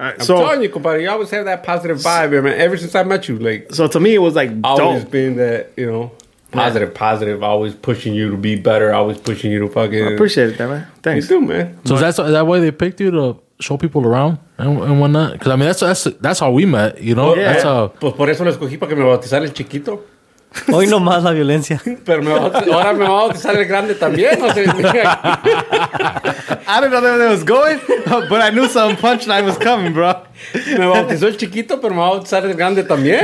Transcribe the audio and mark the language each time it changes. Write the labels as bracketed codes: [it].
[en] I'm telling you, compadre. You always have that positive vibe, man. Ever since I met you, like... So, to me, it was, like, always dope. Being that, you know... Positive, always pushing you to be better, always pushing you to fucking... I appreciate that, man. Thanks. You too, man. So is that why they picked you to show people around and whatnot? Because, I mean, that's how we met, you know? Well, that's how... [es] Pues por eso lo escogí, para que me bautizara el chiquito. Hoy no más la violencia. Pero ahora me va a bautizar el grande también. [en] I don't know where that was going, but I knew some punchline was coming, bro. [es] Me bautizó el chiquito, pero me va a bautizar el grande también.